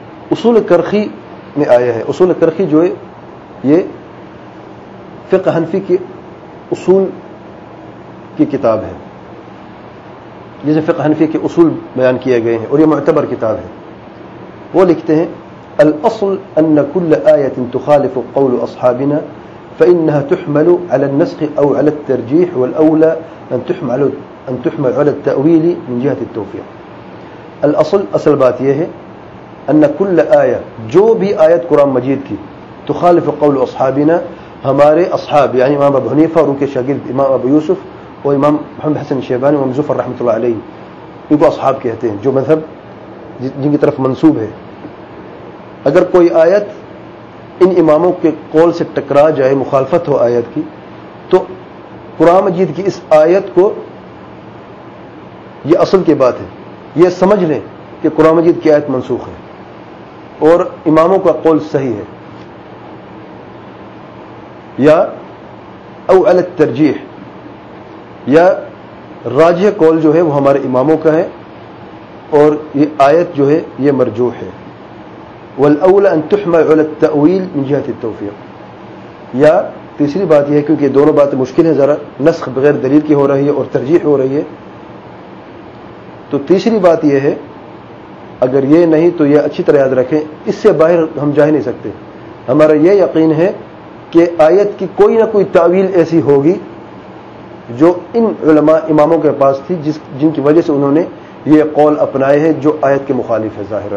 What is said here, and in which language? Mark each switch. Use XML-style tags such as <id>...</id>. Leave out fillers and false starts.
<ur>اصول کرخی میں آیا ہے، اصول کرخی جو ہے یہ فقہ حنفی کے اصول کی کتاب ہے، جسے فقہ حنفی کے اصول بیان کیے گئے ہیں اور یہ معتبر کتاب ہے.</ur> <ar>وہ لکھتے ہیں الاصل ان كل آية تخالف قول اصحابنا فإنها تحمل على النسخ او على الترجيح والاولى ان تحمل على التأويل من جهة التوفيق.</ar> <ur>الاصل، اصل بات یہ ہے</ur> <ar>ان كل آية،</ar> <ur>جو بھی آیت قرآن مجید کی</ur> <ar>تخالف قول اصحابنا،</ar> <ur>ہمارے اصحاب یعنی امام ابو حنیفہ اور ان کے شاگرد امام ابو یوسف اور امام محمد حسن شیبانی امام زفر رحمۃ اللہ علیہ، ان کو اصحاب کہتے ہیں جو مذہب جن کی طرف منسوب ہے. اگر کوئی آیت ان اماموں کے قول سے ٹکرا جائے، مخالفت ہو آیت کی، تو قرآن مجید کی اس آیت کو، یہ اصل کی بات ہے، یہ سمجھ لیں کہ قرآن مجید کی آیت منسوخ ہے اور اماموں کا قول صحیح ہے. یا</ur> <ar>او علی الترجیح،</ar> <ur>یا راجح قول جو ہے وہ ہمارے اماموں کا ہے اور یہ آیت جو ہے یہ مرجوح ہے.</ur> <ar>والاولى ان تحمل على التاويل من جهه التوفيق،</ar> <ur>یا تیسری بات یہ ہے کیونکہ دونوں باتیں مشکل ہیں ذرا، نسخ بغیر دلیل کی ہو رہی ہے اور ترجیح ہو رہی ہے، تو تیسری بات یہ ہے اگر یہ نہیں تو یہ اچھی طرح یاد رکھیں، اس سے باہر ہم جا ہی نہیں سکتے. ہمارا یہ یقین ہے کہ آیت کی کوئی نہ کوئی تاویل ایسی ہوگی جو ان علماء اماموں کے پاس تھی، جن کی وجہ سے انہوں نے یہ قول اپنائے ہیں جو آیت کے مخالف ہے ظاہرا.</ur>